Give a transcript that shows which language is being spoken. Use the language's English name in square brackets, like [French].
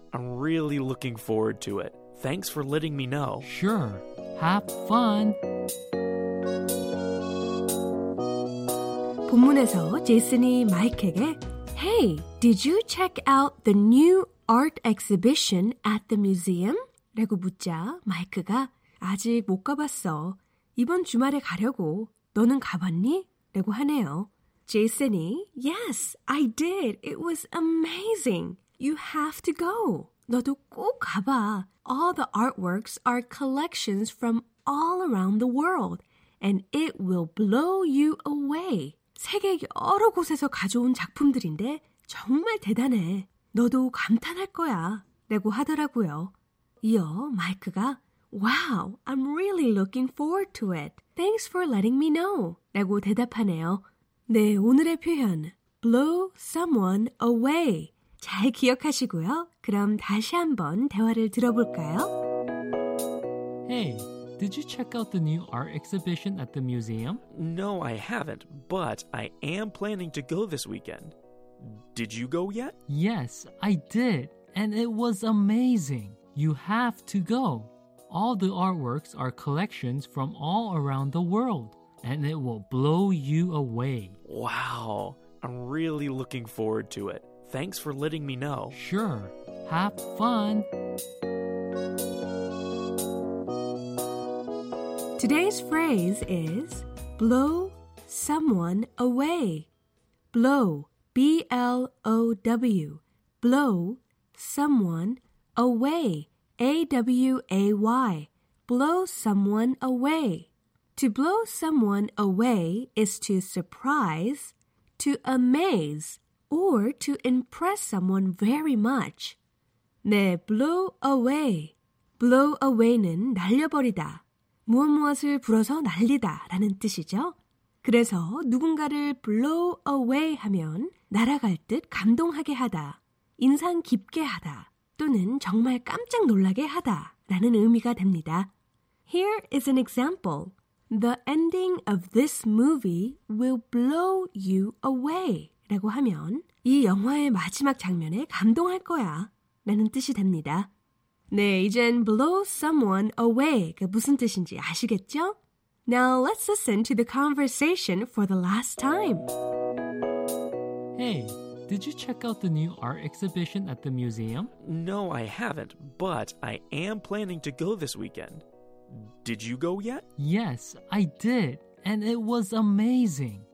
[English] I'm really looking forward to it. Thanks for letting me know. Sure. Have fun. [Korean] 본문에서 제이슨이 마이크에게 [English] Hey, did you check out the new art exhibition at the museum? [Korean] 라고 묻자 마이크가 아직 못 가봤어. 이번 주말에 가려고. 너는 가봤니? 라고 하네요. 제이슨이 [English] Yes, I did. It was amazing. You have to go. [Korean] 너도 꼭 가봐. [English] All the artworks are collections from all around the world. And it will blow you away. [Korean] 세계 여러 곳에서 가져온 작품들인데 정말 대단해. 너도 감탄할 거야. 라고 하더라고요. 이어 마이크가 [English] Wow, I'm really looking forward to it. Thanks for letting me know. [Korean] 라고 대답하네요. 네, 오늘의 표현 Blow someone away. 잘 기억하시고요. 그럼 다시 한번 대화를 들어볼까요? [English] Hey, did you check out the new art exhibition at the museum? No, I haven't, but I am planning to go this weekend. Did you go yet? Yes, I did, and it was amazing. You have to go. All the artworks are collections from all around the world, and it will blow you away. Wow, I'm really looking forward to it. Thanks for letting me know. Sure. Have fun. Today's phrase is blow someone away. Blow, B-L-O-W, blow someone away, A-W-A-Y, blow someone away. To blow someone away is to surprise, to amaze, or to impress someone very much. [Korean] 네, blow away. Blow away는 날려버리다, 무엇무엇을 불어서 날리다 라는 뜻이죠. 그래서 누군가를 blow away 하면 날아갈 듯 감동하게 하다, 인상 깊게 하다, 또는 정말 깜짝 놀라게 하다 라는 의미가 됩니다. [English] Here is an example. The ending of this movie will blow you away. [Korean] 라고 하면 이 영화의 마지막 장면에 감동할 거야 라는 뜻이 됩니다. 네, 이젠 blow someone away 그 무슨 뜻인지 아시겠죠? [English] Now let's listen to the conversation for the last time. Hey, did you check out the new art exhibition at the museum? No, I haven't, but I am planning to go this weekend. Did you go yet? Yes, I did, and it was amazing.